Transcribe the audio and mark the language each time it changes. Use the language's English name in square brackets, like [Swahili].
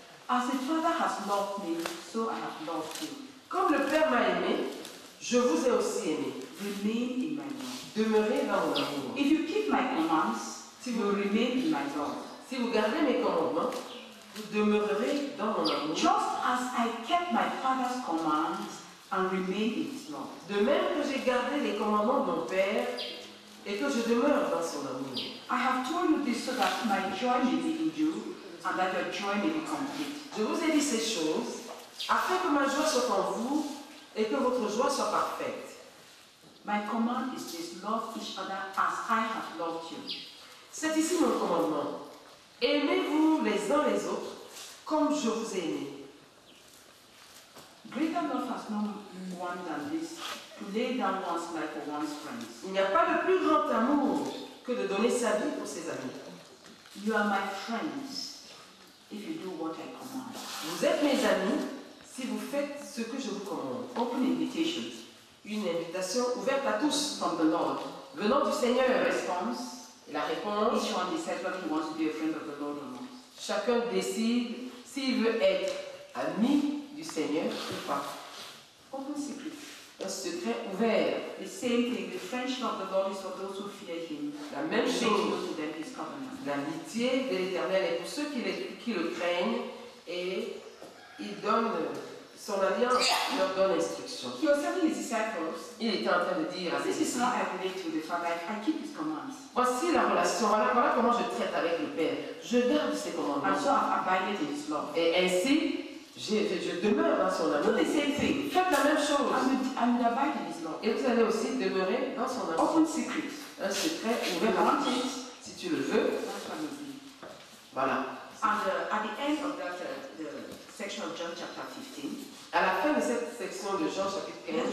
[English] As the Father has loved me, so I have loved you. [French] Comme le Père m'a aimé, je vous ai aussi aimé. [English] Remain in my love. [French] Demeurez dans mon amour. [English] If you keep my commands, [French] si vous [English] remain in my love. [French] Si vous gardez mes commandements, vous demeurerez dans mon amour. [English] Just as I kept my Father's commands. And remain in his love. [French] De même que j'ai gardé les commandements de mon Père et que je demeure dans son amour. [English] I have told you this so that my joy may be in you and that your joy may be complete. [French] Je vous ai dit ces choses afin que ma joie soit en vous et que votre joie soit parfaite. [English] My command is this: love each other as I have loved you. [French] C'est ici mon commandement. Aimez-vous les uns les autres comme je vous ai aimé. [English] Greater love has no one than this, to lay down one's life for one's friends. [French] Il n'y a pas de plus grand amour que de donner sa vie pour ses amis. [English] You are my friends if you do what I command. [French] Vous êtes mes amis si vous faites ce que je vous commande. [English] Open invitation. [French] Une invitation ouverte à tous [English] from the Lord. [French] Venant du Seigneur. [English] Response. [French] Et la réponse. [English] Each one decides whether he wants to be a friend of the Lord or not. [French] Chacun décide s'il veut être ami du Seigneur ou pas. [English] Open secret. [French] Un secret ouvert. [English] The same thing, the friendship of the Lord is for those who fear him. [French] La même chose. [English] He makes known to them his covenant. [French] L'amitié de l'Éternel est pour ceux qui le craignent et il donne son alliance leur donne instruction. [English] He was telling his disciples. [French] Il était en train de dire à ses disciples. [English] This is how I relate to the Father. I keep his commands. [French] Voici la relation. Voilà comment je traite avec le Père. Je garde ses commandements. [English] And so I abide in his love. [French] Et ainsi, je demeure dans son amour. [English] Do the same thing. [French] Faites la même chose. [English] I'm abide in his love. [French] Et vous allez aussi demeurer dans son amour. [English] Open secret. [French] Un secret ouvert à tous. Si tu le veux. [English] That's what I'm doing. [French] Voilà. [English] And at the end of that the section of John chapter 15. [French] À la fin de cette section de Jean chapitre 15,